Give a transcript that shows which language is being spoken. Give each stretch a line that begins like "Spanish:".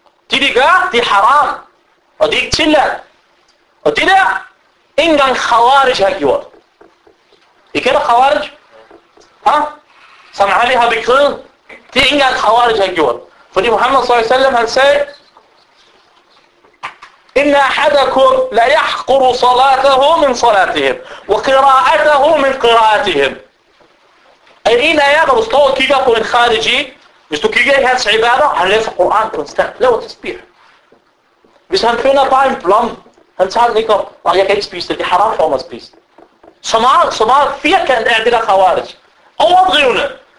Danish: Det de gør, det er haram. Og det er ikke tilladt. Og det der, ikke engang Khawarij har gjort. I kender Khawarij? Ha? Som Ali har bekrevet. Det er ikke engang Khawarij har gjort. Fordi Muhammad s.a.w. han sagde,
Arabic: إِنَّ أَحَدَكُمْ لَيَحْقُرُ صَلَاتَهُ مِنْ صَلَاتِهِمْ وَقِرَاءَتَهُ مِنْ قِرَاءَتِهِمْ.
Danish: Er en af jer, der står og kigger på en khariji, hvis du kigger i hans ibadah, han læser Qur'an konstant, laver tasbih. Hvis han finder bare en blom, han tager den ikke op, og jeg kan ikke spise det, det er haram for mig at spise. Så meget, så meget firkant er det der khawarij. Overdrivende.